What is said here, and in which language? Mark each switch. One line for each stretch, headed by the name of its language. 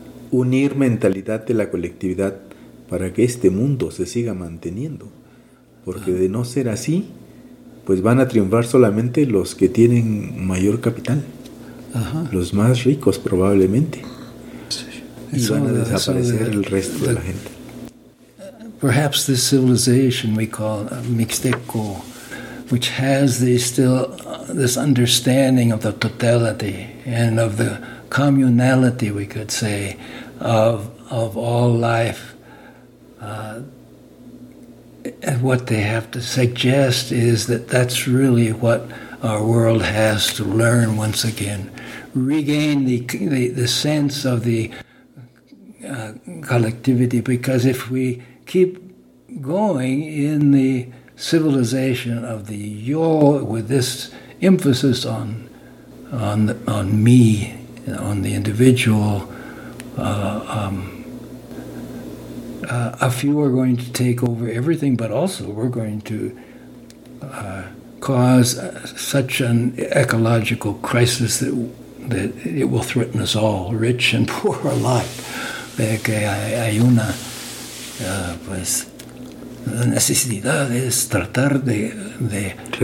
Spanish: unir mentalidad de la colectividad para que este mundo se siga manteniendo, porque de no ser así, pues van a triunfar solamente los que tienen mayor capital, los más ricos probablemente. y van a desaparecer el resto de la gente.
English: Perhaps this civilization we call Mixteco, which has this still this understanding of the totality and of the communality, we could say, of all life. And what they have to suggest is that that's really what our world has to learn once again. Regain the sense of the collectivity, because if we keep going in the civilization of the yo, with this emphasis on me, on the individual, a few are going to take over everything, but also we're going to cause such an ecological crisis that it will threaten us all, rich and poor alike.
Spanish: Porque hay una pues la necesidad es tratar de